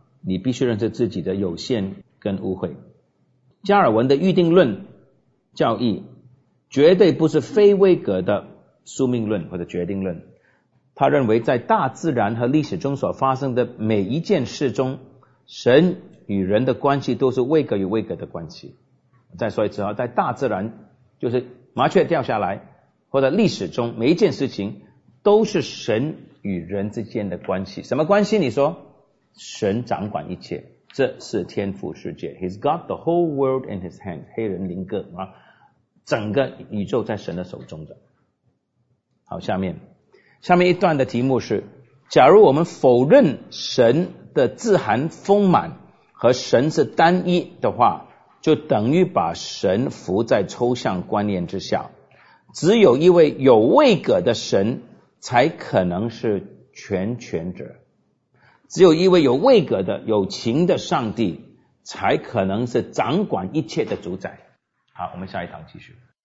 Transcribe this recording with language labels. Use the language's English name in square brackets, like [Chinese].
[Chinese] 你必须认识自己的有限跟污秽。加尔文的预定论教义绝对不是非威格的宿命论或者决定论，他认为在大自然和历史中所发生的每一件事中，神与人的关系都是位格与位格的关系。再说一次，在大自然就是麻雀掉下来，或者历史中每一件事情都是神与人之间的关系。什么关系？你说神掌管一切，这是天父世界。 [English] He's got the whole world in his hand， [Chinese] 黑人林哥啊，整个宇宙在神的手中的。好，下面一段的题目是，假如我们否认神的自含丰满和神是单一的话，就等于把神浮在抽象观念之下，只有一位有位格的神才可能是全权者，只有一位有位格的有情的上帝才可能是掌管一切的主宰。好，我们下一堂继续。